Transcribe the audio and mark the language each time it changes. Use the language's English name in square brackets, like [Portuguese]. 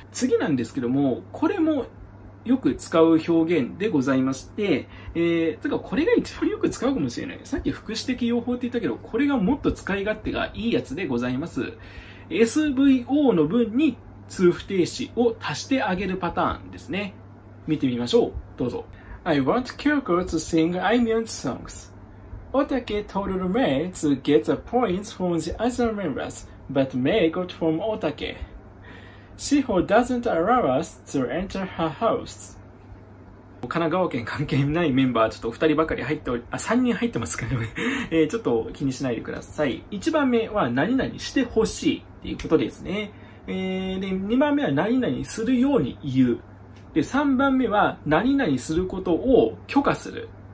[Japanese] 次なんですけども、これもよく使う表現でございまして、つかこれが一番よく使うかもしれない。さっき副詞的用法って言ったけど、これがもっと使い勝手がいいやつでございます。 SVO の文に通不定詞を足してあげるパターンですね。見てみましょう。どうぞ。 [English] I want Kyoko to sing Aimeon's songs. Otake told me to get the points from the other members, but May got from Otake. Shiho doesn't allow us to enter her house. [Japanese] 神奈川県関係ないメンバーちょっと2人ばかり入っており、あ、3人入ってますかね。ちょっと気にしないでください。 1番目は何々してほしいっていうことですね。で、2番目は何々するように言う。で、3番目は何々することを許可する。